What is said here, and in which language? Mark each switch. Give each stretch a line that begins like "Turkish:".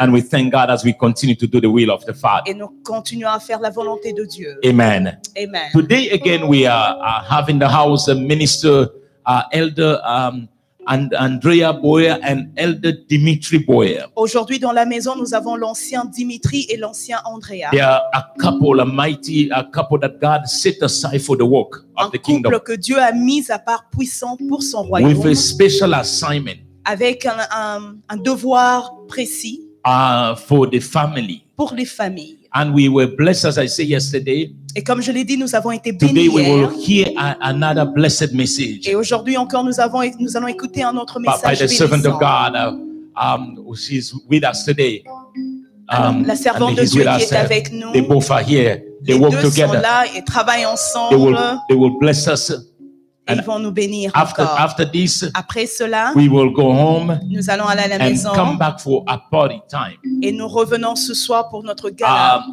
English: And we thank God as we continue to do the will of the Father.
French: Et nous continuons à faire la volonté de Dieu. Amen. Amen.
English: Today again we are having the house a minister elder and Andrea Boyer and Elder Dimitri Boyer.
French: Aujourd'hui dans la maison nous avons l'ancien Dimitri et l'ancien Andrea.
English: They are a couple, a couple that God set aside for the work of the kingdom.
French: Un couple que Dieu a mis à part puissant pour son royaume.
English: With a special assignment.
French: Avec un devoir précis.
English: For the family.
French: Pour les familles.
English: And we were blessed, as I said yesterday.
French: Et comme je l'ai dit, nous avons été bénis.
English: Today we will hear another blessed message.
French: Et aujourd'hui encore, nous allons écouter un autre message.
English: By the servant of God, who is with us today.
French: La servante de Dieu qui est avec nous.
English: They both are here. They
French: Les
English: work
French: deux
English: together.
French: Sont là et travaillent ensemble.
English: They will bless us.
French: Ils vont nous bénir
English: after this,
French: après cela,
English: we will go home,
French: nous allons aller à la
English: and
French: maison
English: come back for a party time.
French: Et nous revenons ce soir pour notre gala.